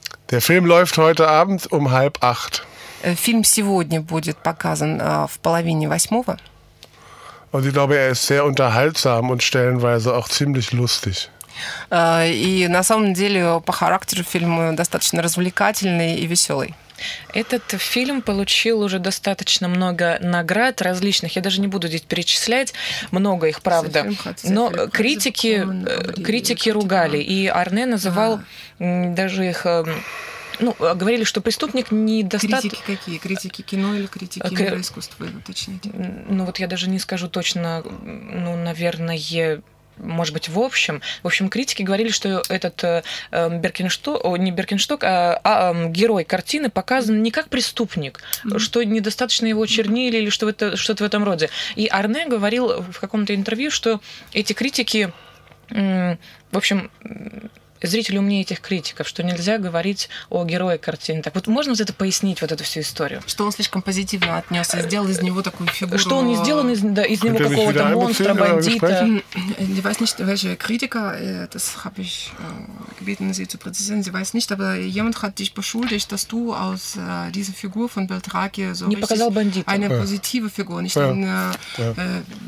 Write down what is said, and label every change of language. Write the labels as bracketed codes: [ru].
[de] Der Film läuft heute Abend 7:30. [ru] Фильм сегодня будет показан в 7:30. [de] Und ich glaube, ist sehr unterhaltsam und stellenweise auch ziemlich lustig. [ru] И на самом деле по характеру фильм достаточно развлекательный и веселый. Этот фильм получил уже достаточно много наград различных. Я даже не буду здесь перечислять, много их, правда. Но критики ругали, и Арне называл даже их. Ну, говорили, что преступник недостаточно... Критики какие? Критики кино или критики мироискусства, вы уточните? Ну, вот я даже не скажу точно, ну, наверное, может быть, в общем. В общем, критики говорили, что этот герой картины показан не как преступник, что недостаточно его чернили или что-то в этом роде. И Арне говорил в каком-то интервью, что эти критики, в общем... Зрители умнее этих критиков, что нельзя говорить о герое картины. Так вот, можно вот это пояснить, вот эту всю историю? Что он слишком позитивно отнес и сделал из него такую фигуру. Что он не сделал из него какого-то монстра, бандита. [de] Sie weiß nicht, welche Kritiker, das habe ich gebeten, sie zu präzisieren, sie weiß nicht, aber jemand hat dich beschuldigt, dass du aus dieser Figur von Beltraki so [ru] не показал бандита. [de] Eine positive Figur, nicht ein